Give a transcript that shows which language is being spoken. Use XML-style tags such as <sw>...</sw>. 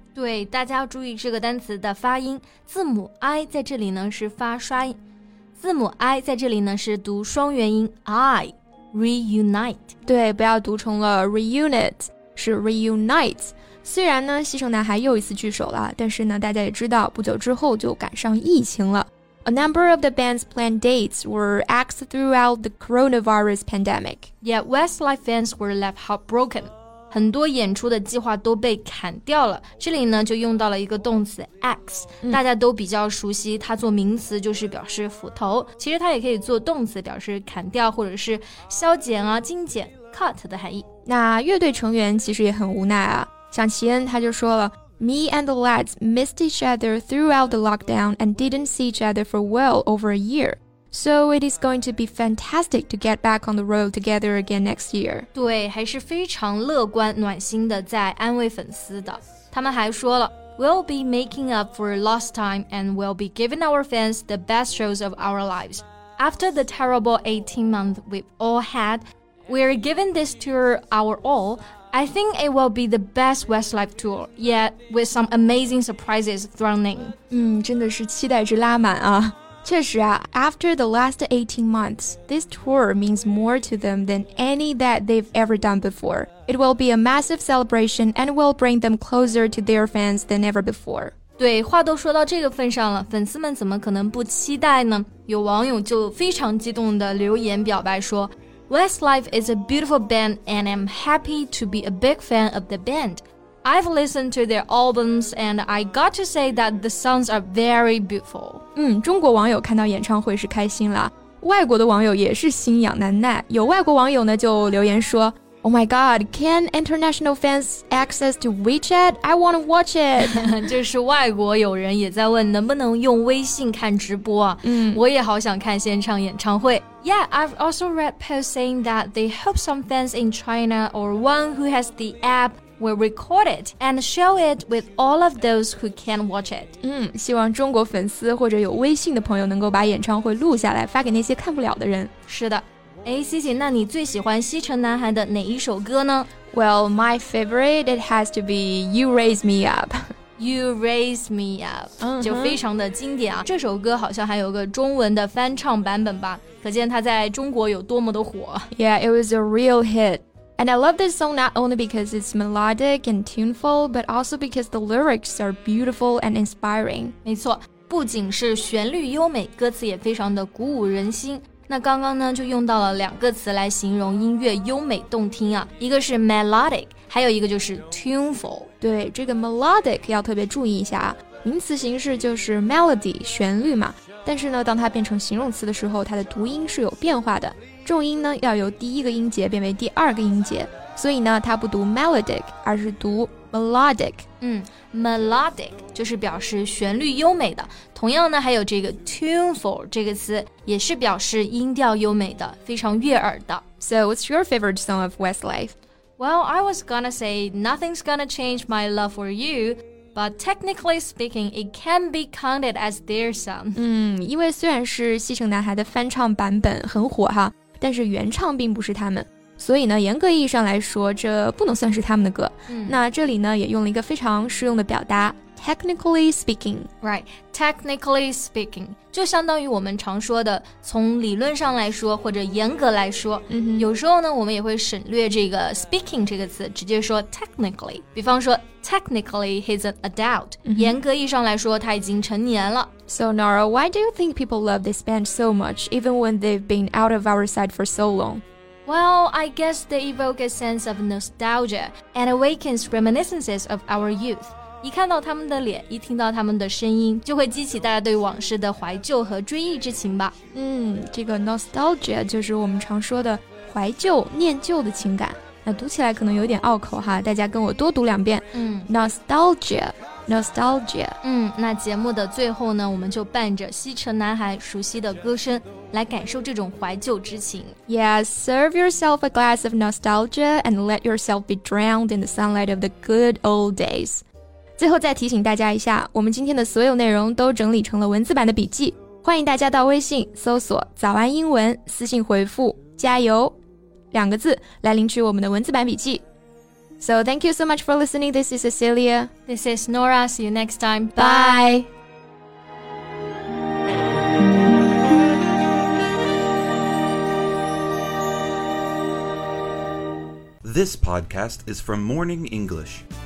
<zh>对，大家要注意这个单词的发音，字母 I 在这里呢是发刷音，字母 I 在这里呢是读双元音 I, reunite。对，不要读成了 reunit， 是 reunite。虽然呢西城男孩又一次聚首了，但是呢大家也知道不久之后就赶上疫情了。</zh> <en>A number of the band's planned dates were axed throughout the coronavirus pandemic. Yet Westlife fans were left heartbroken.</en> <zh>很多演出的计划都被砍掉了，这里呢就用到了一个动词 X、嗯、大家都比较熟悉它做名词就是表示斧头，其实它也可以做动词表示砍掉或者是削减啊、精简 cut 的含义。那乐队成员其实也很无奈啊，像齐恩他就说了</zh> <en>Me and the lads missed each other throughout the lockdown and didn't see each other for well over a year. So it is going to be fantastic to get back on the road together again next year.</en> <zh>对，还是非常乐观暖心的在安慰粉丝的。他们还说了</zh> <en>We'll be making up for lost time and we'll be giving our fans the best shows of our lives. After the terrible 18 months we've all had, we're giving this tour our all. I think it will be the best Westlife tour, yet with some amazing surprises thrown in.</en> <zh>真的是期待值拉满啊。确实啊</zh> <en>after the last 18 months, this tour means more to them than any that they've ever done before. It will be a massive celebration and will bring them closer to their fans than ever before.</en> <zh>对，话都说到这个份上了，粉丝们怎么可能不期待呢？有网友就非常激动地留言表白说</zh> <en>Westlife is a beautiful band and I'm happy to be a big fan of the band. I've listened to their albums and I got to say that the songs are very beautiful.</en> <zh>中国网友看到演唱会是开心了，外国的网友也是心痒难耐。有外国网友呢就留言说</zh> <en>Oh my god, can international fans access to WeChat? I want to watch it.</en> <zh>就是外国有人也在问能不能用微信看直播啊。我也好想看现场演唱会。</zh> <en>Yeah, I've also read posts saying that they hope some fans in China or one who has the app will record it and show it with all of those who can't watch it.</en> <zh>希望中国粉丝或者有微信的朋友能够把演唱会录下来发给那些看不了的人。是的。 Cici, 那你最喜欢西城男孩的哪一首歌呢</zh> <en>Well, my favorite, it has to be You Raise Me Up. You Raise Me Up,、uh-huh.</en> <zh>就非常的经典啊。这首歌好像还有个中文的翻唱版本吧，可见它在中国有多么的火。</zh> <en>Yeah, it was a real hit. And I love this song not only because it's melodic and tuneful, but also because the lyrics are beautiful and inspiring.</en> <zh>没错，不仅是旋律优美，歌词也非常的鼓舞人心。那刚刚呢就用到了两个词来形容音乐优美动听啊，一个是 melodic, 还有一个就是 tuneful。对，这个 melodic 要特别注意一下啊，名词形式就是 melody, 旋律嘛，但是呢当它变成形容词的时候，它的读音是有变化的，重音呢要由第一个音节变为第二个音节，所以呢它不读 melodic, 而是读melodic, melodic 就是表示旋律优美的，同样呢还有这个 tuneful 这个词也是表示音调优美的，非常悦耳的。</zh> <en>So what's your favorite song of Westlife? Well, I was gonna say nothing's gonna change my love for you, but technically speaking, it can be counted as their song.</en> <zh>因为虽然是西城男孩的翻唱版本很火哈，但是原唱并不是他们，所以呢严格意义上来说这不能算是他们的歌。那这里呢也用了一个非常实用的表达 technically speaking.</zh> <en>Right, technically speaking,</en> <zh>就相当于我们常说的从理论上来说或者严格来说。有时候呢我们也会省略这个 speaking 这个词，直接说 technically. 比方说</zh> <en>technically he's an adult,</en> <zh>严格意义上来说他已经成年了。</zh> <en>So Nora, why do you think people love this band so much, even when they've been out of our sight for so long? Well, I guess they evoke a sense of nostalgia and awakens reminiscences of our youth.</en> <zh>一看到他们的脸，一听到他们的声音，就会激起大家对往事的怀旧和追忆之情吧。这个 nostalgia 就是我们常说的怀旧、念旧的情感。那读起来可能有点拗口哈，大家跟我多读两遍。</zh> <en>Nostalgia, nostalgia.</en> <zh>那节目的最后呢，我们就伴着西城男孩熟悉的歌声来感受这种怀旧之情。</zh> <en>Yes, serve yourself a glass of nostalgia and let yourself be drowned in the sunlight of the good old days.</en> <zh>最后再提醒大家一下，我们今天的所有内容都整理成了文字版的笔记，欢迎大家到微信搜索早安英文，私信回复加油两个字来领取我们的文字版笔记。</zh> <en>So thank you so much for listening. This is Cecilia. This is Nora. See you next time. Bye. This podcast is from Morning English.</en>